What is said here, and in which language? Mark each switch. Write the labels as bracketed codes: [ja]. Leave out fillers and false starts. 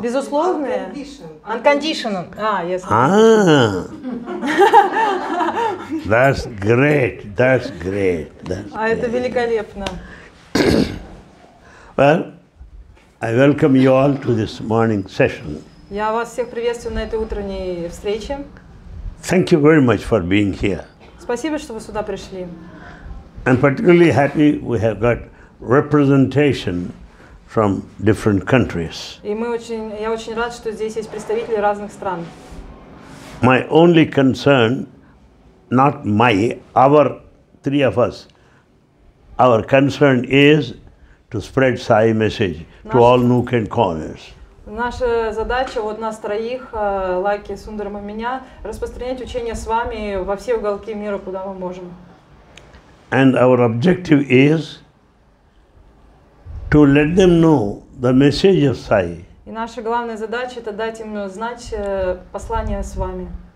[ru] Безусловное. [en] Unconditional. Yes. That's great. [ru] Это великолепно. [en] Well, I welcome you all to this morning session. [ru] Я вас всех приветствую на этой утренней встрече. [en] Thank you very much for being here. [ru] Спасибо, что вы сюда пришли. [en] I'm particularly happy we have got representation from different countries. [ru] И я очень рад, что здесь есть представители разных стран. [en] My only concern, not my, our three of us, our concern is to spread Sai message to all nook and corners. [ru] Наша задача, вот нас троих, Лаки, Сундарам и меня, распространять учение с вами во все уголки мира, куда мы можем. [en] And our objective is to let them know the message of Sai. [ru] И наша главная задача это дать им знать послание с вами.